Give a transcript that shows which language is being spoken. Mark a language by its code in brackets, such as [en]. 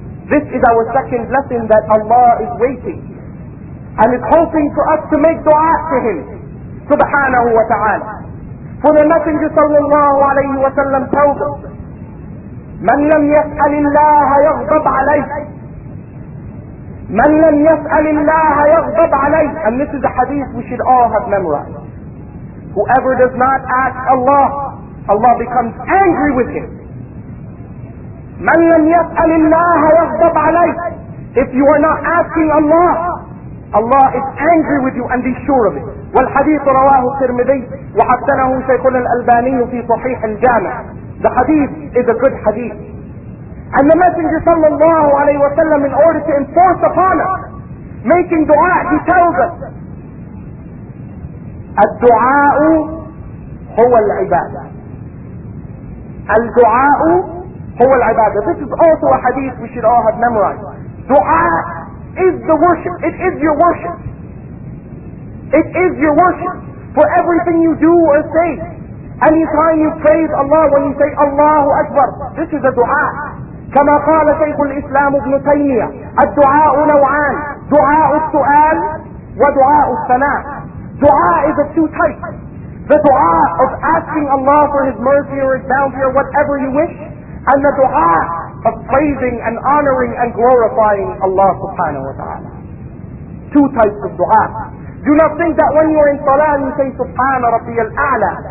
[en] This is our second lesson, that Allah is waiting and is hoping for us to make dua to Him, subhanahu wa ta'ala. For the Messenger sallallahu alayhi wa sallam told us, [ar] من لم يسأل الله يغضب عليه. من لم يسأل الله يغضب عليه. [en] And this is a hadith we should all have memorized. Whoever does not ask Allah, Allah becomes angry with him. [ar] من لم يسأل الله يغضب عليه. [en] If you are not asking Allah, Allah is angry with you and be sure of it. [ar] والحديث رواه الترمذي وحسنه شيخ الألباني في صحيح الجامع. [en] The hadith is a good hadith. And the Messenger sallallahu alayhi wa sallam, in order to enforce upon us making dua, he tells us, [ar] الدعاء هو العبادة. الدعاء هو العبادة. [en] This is also a hadith we should all have memorized. Dua is the worship. It is your worship. It is your worship. For everything you do or say, anytime you praise Allah, when you say Allahu Akbar, this is a dua. [ar] كما قال شيخ الإسلام ابن تيمية, الدعاء نوعان, دعاء السؤال ودعاء الثناء. [en] دعاء is of two types. The dua of asking Allah for His mercy or His bounty or whatever you wish, and the dua of praising and honoring and glorifying Allah subhanahu wa ta'ala. Two types of dua. Do not think that when you're in salah you say subhana rabbi al-a'la.